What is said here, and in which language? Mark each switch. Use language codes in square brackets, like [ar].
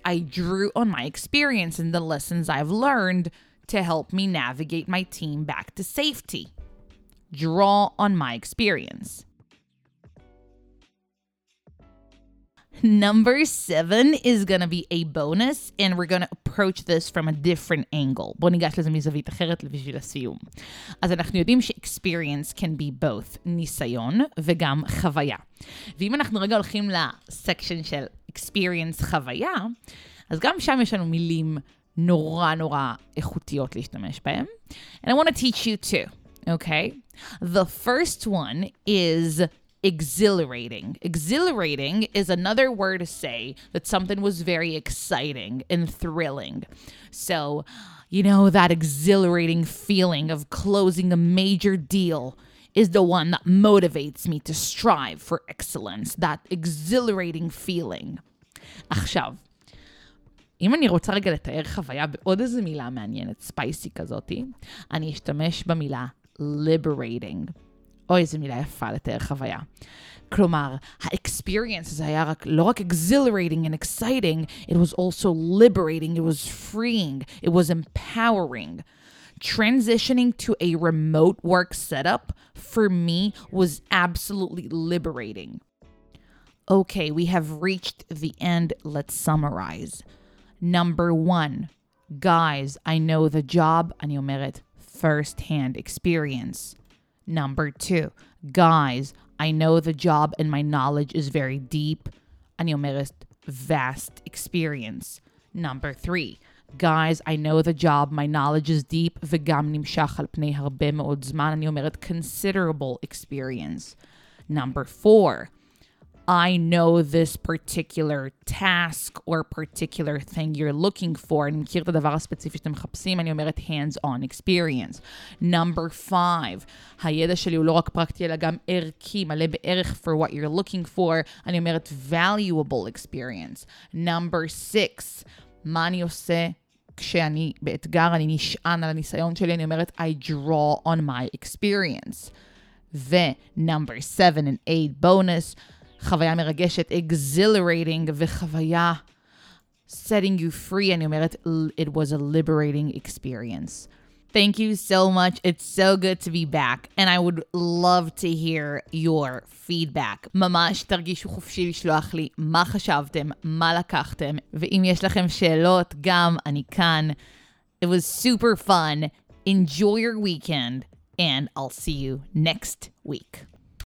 [en] I drew on my experience and the lessons I've learned to help me navigate my team back to safety. Draw on my experience. Number 7 is going to be a bonus, and we're going to approach this from a different angle. [he] בוא ניגש לזה מזווית אחרת בשביל הסיום. אז אנחנו יודעים ש- [en] experience can be both [he] ניסיון וגם חוויה. ואם אנחנו רגע הולכים לסקשן של experience חוויה, אז גם שם יש לנו מילים נורא נורא איכותיות להשתמש בהם. [en] And I want to teach you two, okay? The first one is exhilarating. Exhilarating is another word to say that something was very exciting and thrilling. So, you know, that exhilarating feeling of closing a major deal is the one that motivates me to strive for excellence. That exhilarating feeling. [he] עכשיו, אם אני רוצה רגע לתאר חוויה בעוד איזה מילה מעניינת, ספייסי כזאת, אני אשתמש במילה liberating. אוי, איזה מילה יפה לתאר חוויה. כלומר, ה-experience הזה היה רק, לא רק [en] exhilarating and exciting, it was also liberating, it was freeing, it was empowering. Transitioning to a remote work setup, for me, was absolutely liberating. Okay, we have reached the end. Let's summarize. Number one, guys, I know the job, [he] אני אומרת, [en] first-hand experience. Number two, guys, I know the job and my knowledge is very deep. [he] אני אומרת, [en] vast experience. Number three, guys, I know the job, my knowledge is deep, [he] וגם נמשך על פני הרבה מאוד זמן. אני אומרת, [en] considerable experience. Number four, I know this particular task or particular thing you're looking for. [he] אני מכיר את הדבר הספציפי שאתם מחפשים. אני אומרת [en] hands-on experience. [he] Number five, הידע שלי הוא לא רק פרקטי, אלא גם ערכי, מלא בערך [en] for what you're looking for. [he] אני אומרת [en] valuable experience. Number six, [he] מה אני עושה כשאני באתגר, אני נשען על הניסיון שלי. אני אומרת [en] I draw on my experience. ו-number seven and eight bonus, [he] חוויה מרגשת, [en] exhilarating, וחוויה setting you free, אני אומרת, it was a liberating experience. Thank you so much. It's so good to be back. And I would love to hear your feedback. [he] ממש תרגישו חופשי לשלוח לי מה חשבתם, מה לקחתם, ואם יש לכם שאלות, גם אני כאן. [en] It was super fun. Enjoy your weekend, and I'll see you next week.